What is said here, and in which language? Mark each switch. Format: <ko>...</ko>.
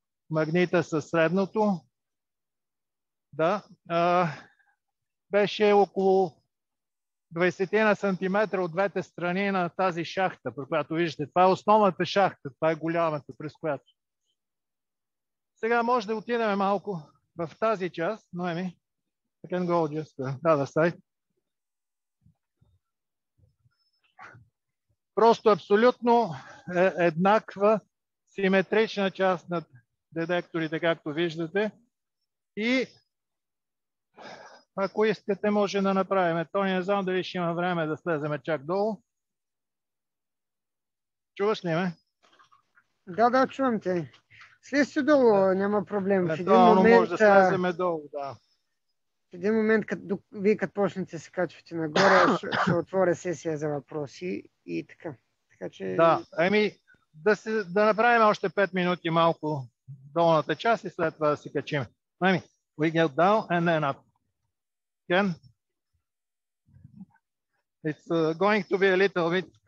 <bg>магнита със средното. Да, беше около 20 см от двете страни на тази шахта, при която виждате. Това е основната шахта, това е голямата, през която. Сега може да отидем малко в тази част, Ноеми.</bg> <en>I can go just the other side.</en> <bg>Просто абсолютно еднаква симетрична част на детекторите, както виждате. И ако искате, може да направим. То не знам дали ще има време да слеземе чак долу. Чуваш ли ме? Да, да, чувам те. Слез се долу, няма проблем. Евентуално може да слеземе долу, да. В един момент, като вие като почнете се качвате нагоре, ще отворя сесия за въпроси и така. Така че... Да, ами да направим още 5 минути малко долната част и след това да се качим.</bg> <en>Ами, we get down and then up. Again. It's going to be a little bit...</en>